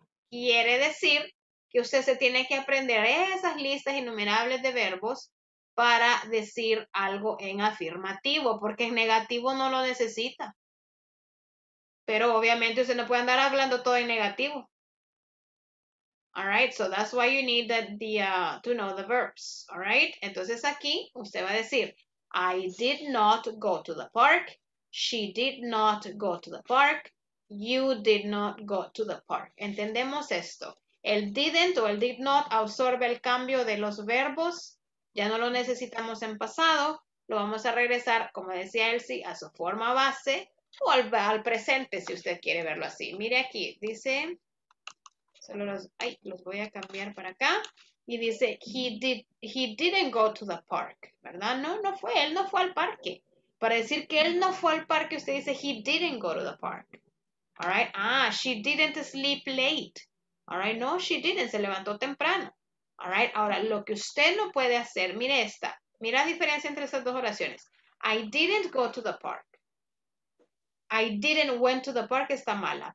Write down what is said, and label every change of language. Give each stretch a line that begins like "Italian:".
Spanish: Quiere decir que usted se tiene que aprender esas listas innumerables de verbos para decir algo en afirmativo, porque en negativo no lo necesita. Pero obviamente usted no puede andar hablando todo en negativo.
English: All right, so that's why you need to know the verbs. All right,
Spanish: entonces aquí usted va a decir,
English: I did not go to the park, she did not go to the park, you did not go to the park.
Spanish: Entendemos esto. El didn't o el did not absorbe el cambio de los verbos. Ya no lo necesitamos en pasado, lo vamos a regresar, como decía Elsie, a su forma base o al presente, si usted quiere verlo así. Mire aquí, dice, solo los voy a cambiar para acá, y dice,
English: he didn't go to the park,
Spanish: ¿verdad? No, no fue, él no fue al parque. Para decir que él no fue al parque, usted dice,
English: he didn't go to the park. All right, she didn't sleep late. All right, no, she didn't,
Spanish: se levantó temprano.
English: All right.
Spanish: Ahora, lo que usted no puede hacer, mire esta. Mira la diferencia entre estas dos oraciones.
English: I didn't go to the park. I didn't went to the park
Spanish: está mala.